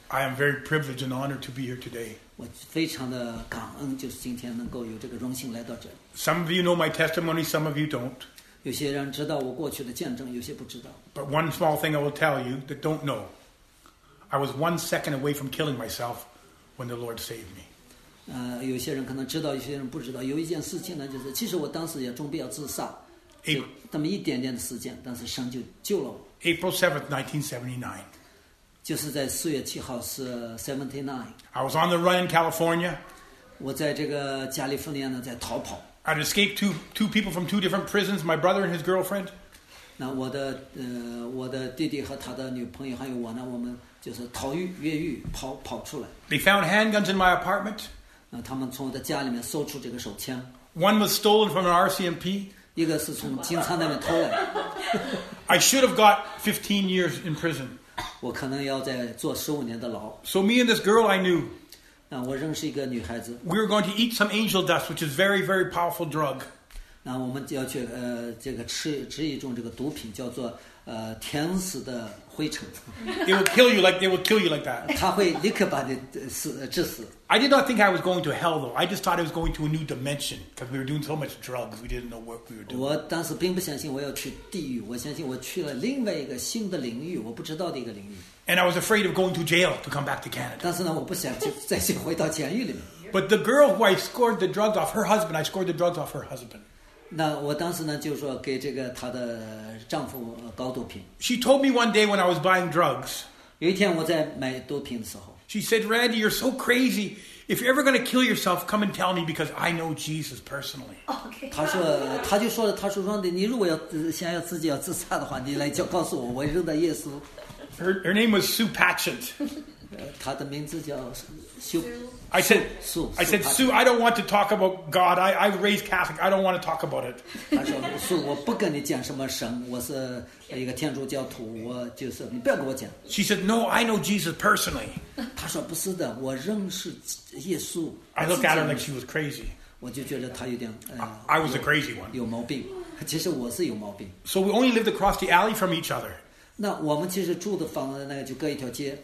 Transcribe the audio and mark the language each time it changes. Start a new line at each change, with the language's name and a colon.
English: I am very privileged and honored to be here today.
Chinese: 我非常的感恩，就是今天能够有这个荣幸来到这。
English: Some of you know my testimony, some of you don't.
Chinese: 有些人知道我过去的见证，有些不知道。
English: But one small thing I will tell you that don't know. I was 1 second away from killing myself when the Lord saved me.
Chinese: 有些人可能知道，有些人不知道。有一件事情呢，就是其实我当时也准备要自杀，就这么一点点的时间，但是神就救了我。
English: April 7th, 1979.
Chinese: 就是在四月七号是 79.
English: I was on the run in California.
Chinese: 我在这个加利福尼亚呢在逃跑。
English: I'd escaped two people from two different prisons, my brother and his girlfriend.
Chinese: 那我的弟弟和他的女朋友还有我呢，我们就是逃狱越狱跑出来。
English: They found handguns in my apartment.
Chinese: 那他们从我的家里面搜出这个手枪。
English: One was stolen from an RCMP.
Chinese: 一个是从警察那边偷来。
English: I should have got 15 years in prison.
Chinese: 我可能要再坐十五年的牢。
English: So me and this girl I knew.
Chinese: 那我认识一个女孩子。
English: We were going to eat some angel dust, which is very, very powerful drug.
Chinese: 那我们要去这个吃一种这个毒品，叫做天使的灰尘。
English: It will kill you like it will kill you like that.
Chinese: 它会立刻把你致死。
English: I did not think I was going to hell though. I just thought I was going to a new dimension because we were doing so much drugs. We didn't know what we were doing.
Chinese: 我当时并不相信我要去地狱，我相信我去了另外一个新的领域，我不知道的一个领域。
English: And I was afraid of going to jail to come back to Canada.
Chinese: 但是呢，我不想再去回到监狱里面。
English: But the girl who I scored the drugs off, her husband, I scored the drugs off her husband.
Chinese: 那我当时呢，就说给这个她的丈夫搞毒品。
English: She told me one day when I was buying drugs.
Chinese: 有一天我在买毒品的时候。
English: She said, Randy, you're so crazy. If you're ever going to kill yourself, come and tell me because I know Jesus personally. Okay.
Chinese: 他就说 Randy, 你如果要想要自己要自杀的话，你来就告诉我，我认得耶稣。
English: Her name was Sue Patchett.
Chinese: 他的名字叫 Sue.
English: I said, Sue, I don't want to talk about God. I raised Catholic. I don't want to talk about it.
Chinese: 他说 Sue, 我不跟你讲什么神，我是一个天主教徒，我就是你不要跟我讲。
English: She said, No, I know Jesus personally.
Chinese: 他说不是的，我认识耶稣。
English: I looked at her like she was crazy.
Chinese: 我就觉得他有点
English: I was a crazy one.
Chinese: 有毛病，其实我是有毛病。
English: So we only lived across the alley from each other.
Chinese: 那我们其实住的房子那个就隔一条街。